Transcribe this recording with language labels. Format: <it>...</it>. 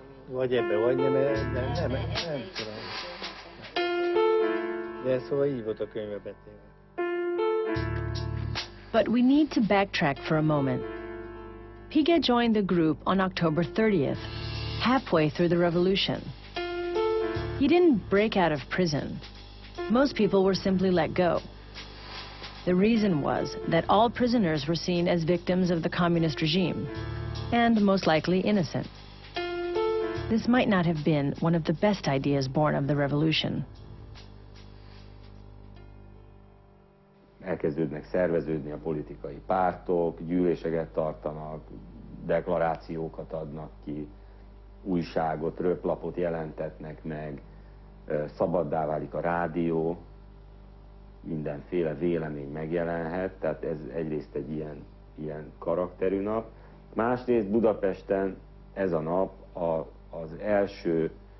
<hu>Vagy ebbe vagy, nem tudom. De szóval így volt a könyve betéve.</hu> <en>But we need to backtrack for a moment. Pige joined the group on October 30th, halfway through the revolution. He didn't break out of prison. Most people were simply let go. The reason was that all prisoners were seen as victims of the communist regime, and most likely innocent. This might not have been one of the best ideas born of the revolution.</en> <hu>Elkezdődnek szerveződni a politikai pártok, gyűléseket tartanak, deklarációkat adnak ki, újságot, röplapot jelentetnek meg, szabaddá válik a rádió, mindenféle vélemény megjelenhet, tehát ez egyrészt egy ilyen karakterű nap. Másrészt Budapesten ez a nap az első</hu>